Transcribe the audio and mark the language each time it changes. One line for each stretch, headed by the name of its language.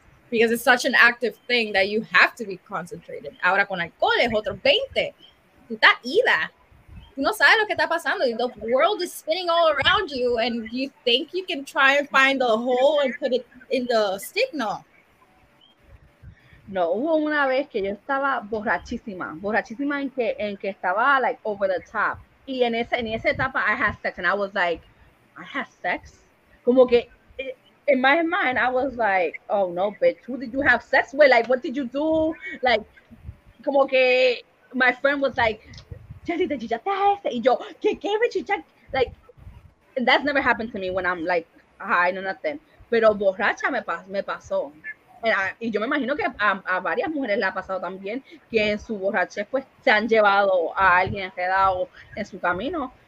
English: Because it's such an active thing that you have to be concentrated.
Spanish: Ahora con alcohol es otro 20. Tú estás ida. No sabe lo que está pasando.
English: The world is spinning all around you, and you think you can try and find the hole and put it in the stick?
Spanish: No. No, hubo una vez que yo estaba borrachísima. Borrachísima en que estaba,
English: like, over the top.
Spanish: Y en esa etapa,
English: I had sex. And I was like, I had sex?
Spanish: Como que,
English: in my mind, I was like, oh, no, bitch. Who did you have sex with? Like, what did you do? Like,
Spanish: como que
English: my friend was like, like, that's never happened to me when I'm like high, no nothing.
Spanish: Pero borracha me pasó. Y yo me imagino que a varias mujeres le ha pasado también, que en su borrachez pues se han llevado a alguien enredado en su camino.